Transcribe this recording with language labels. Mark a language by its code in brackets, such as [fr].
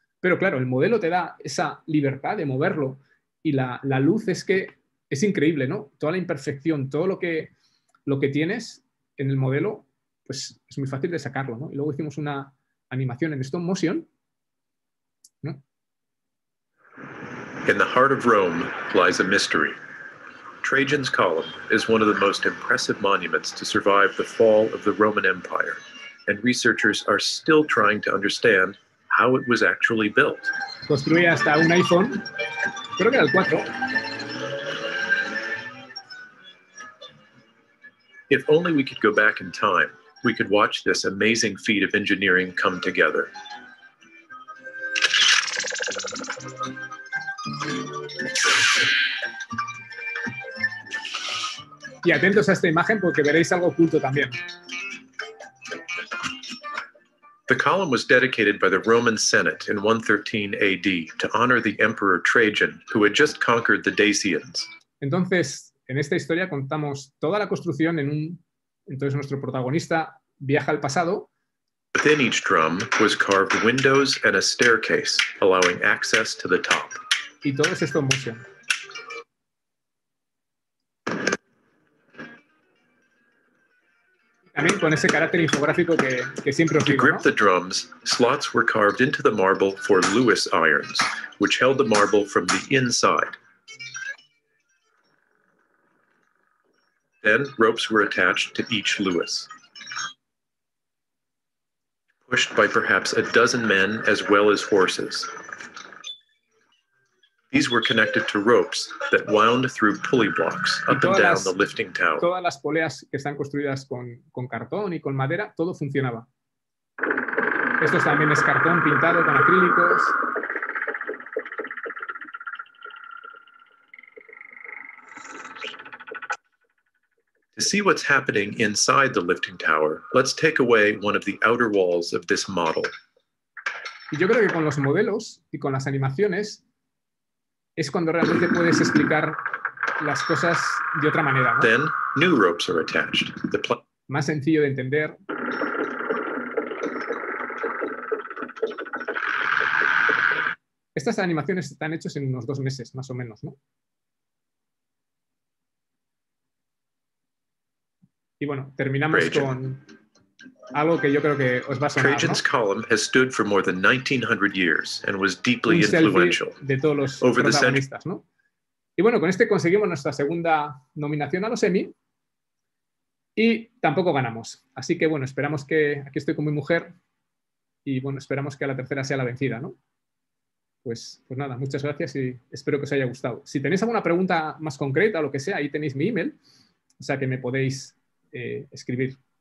[es] Pero claro, el modelo te da esa libertad de moverlo y la luz es que es increíble, ¿no? Toda la imperfección, todo lo que tienes en el modelo, pues es muy fácil de sacarlo, ¿no? Y luego hicimos una animación en stop motion, ¿no? [en] In the heart of Rome lies a mystery. Trajan's Column is one of the most impressive monuments to survive the fall of the Roman Empire, and researchers are still trying to understand how it was actually built. [es] Construí hasta un iPhone, creo que era el 4. [en] If only we could go back in time, we could watch this amazing feat of engineering come together. [es] Y atentos a esta imagen porque veréis algo oculto también. [en] The column was dedicated by the Roman Senate in 113 AD to honor the Emperor Trajan, who had just conquered the Dacians. [es] Entonces, en esta historia contamos toda la construcción en un... Entonces nuestro protagonista viaja al pasado. [en] Within each drum was carved windows and a staircase, allowing access to the top. [es] Y todo es esto en motion. También con ese carácter infográfico que siempre os digo, [en] to grip, [es] ¿no? [en] The drums, slots were carved into the marble for Lewis irons, which held the marble from the inside. Then ropes were attached to each Lewis, pushed by perhaps a dozen men as well as horses. These were connected to ropes that wound through pulley blocks up and down the lifting tower. [es] Todas las poleas que están construidas con cartón y con madera, todo funcionaba. Esto también es cartón pintado con acrílicos. [en] To see what's happening inside the lifting tower, let's take away one of the outer walls of this model. [es] Y yo creo que con los modelos y con las animaciones es cuando realmente puedes explicar las cosas de otra manera, ¿no? [en] Then, new ropes are attached. [es] Más sencillo de entender. Estas animaciones están hechas en unos 2 meses, más o menos, ¿no? Y bueno, terminamos Trajan. Con algo que yo creo que os va a sonar, [en] Trajan's [es] ¿no? [en] Column has stood for more than 1900 years and was deeply influential [es] de todos los [en] over the [es] protagonistas, ¿no? Y bueno, con este conseguimos nuestra segunda nominación a los Emmy y tampoco ganamos. Así que bueno, esperamos que... Aquí estoy con mi mujer y bueno, esperamos que a la tercera sea la vencida, ¿no? Pues nada, muchas gracias y espero que os haya gustado. Si tenéis alguna pregunta más concreta o lo que sea, ahí tenéis mi email, o sea que me podéis escribir.